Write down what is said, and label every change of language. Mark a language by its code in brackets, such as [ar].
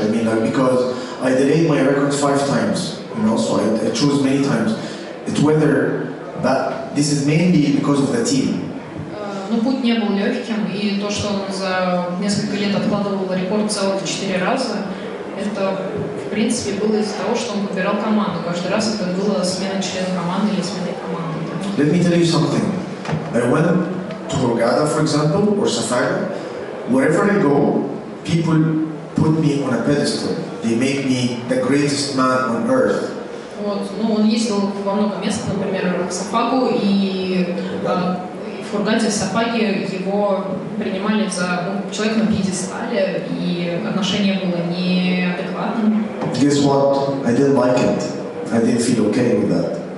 [en] I mean, like, because I delayed my records 5 times, you know, so I chose many times. It's whether that this is mainly because of the team. [ru] Ну, путь не был легким, и то, что он за несколько лет откладывал рекорд целых 4 раза, это, в принципе, было из-за того, что он выбирал команду. Каждый раз это было смена члена команды или смена команды. [en] Let me tell you something. I went to Hurghada, for example, or Safari. Wherever I go, people put me on a pedestal. They make me the greatest man on earth. [ru] Вот, ну, он ездил во много мест, например, в Сафагу и... В Хургаде, в Сапаге его принимали за человека на пьедестале, и отношение было неадекватным. [en] Guess what? I didn't like it. I didn't feel okay with that.